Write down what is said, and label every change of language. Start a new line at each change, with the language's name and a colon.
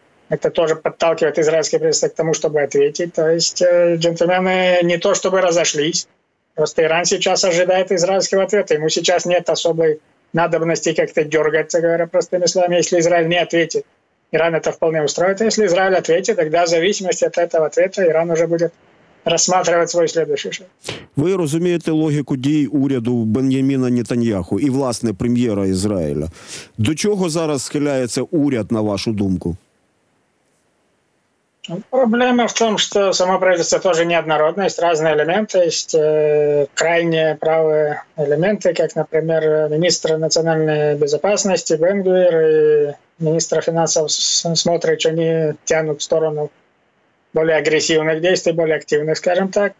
Russian: Это тоже подталкивает израильские правительства к тому, чтобы ответить. То есть джентльмены не то чтобы разошлись, просто Иран сейчас ожидает израильского ответа. Ему сейчас нет особой надобности как-то дергаться, говоря простыми словами, если Израиль не ответит. Иран это вполне устроит. Если Израиль ответит, тогда в зависимости от этого ответа Иран уже будет рассматривать свой следующий шаг.
Ukrainian: Вы розумієте логіку дій уряду Бен'яміна Нетаньяху і, власне, прем'єра Ізраїля. До чого зараз схиляється уряд, на вашу думку?
Russian: Проблема в том, что само правительство тоже неоднородно. Есть разные элементы. Есть крайне правые элементы, как, например, министр национальной безопасности Бен-Гвир и министр финансов Смотрич, они тянут в сторону более агрессивных действий, более активных, скажем так.